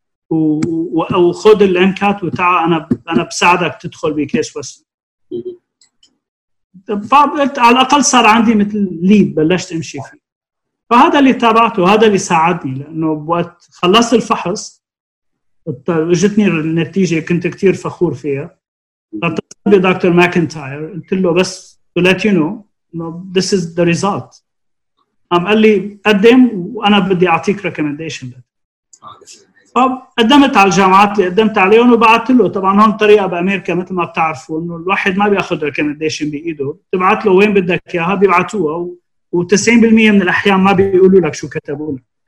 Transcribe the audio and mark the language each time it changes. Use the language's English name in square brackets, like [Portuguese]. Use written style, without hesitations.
[Arabic] وخذ اللينكات وتعال انا بساعدك تدخل بكيس وستر. فقلت على الاقل صار عندي مثل ليد بلشت امشي فيه. فهذا اللي تابعته وهذا اللي ساعدني لانه بوقت خلصت الفحص اجتني النتيجه كنت كثير فخور فيها. فاتصلت بدكتور ماكنتاير قلت له بس [English] to let you know this is the result. [Arabic] قال لي قدم وانا بدي اعطيك ريكومنديشن. فقدمت على الجامعات اللي قدمت عليهم وبعثت له. طبعا هون طريقه بامريكا مثل ما بتعرفوا انه الواحد ما بياخذ ريكومنديشن بايده، تبعت له وين بدك اياها بيبعتوها و90% من الاحيان ما بيقولوا لك شو كتبوا لك.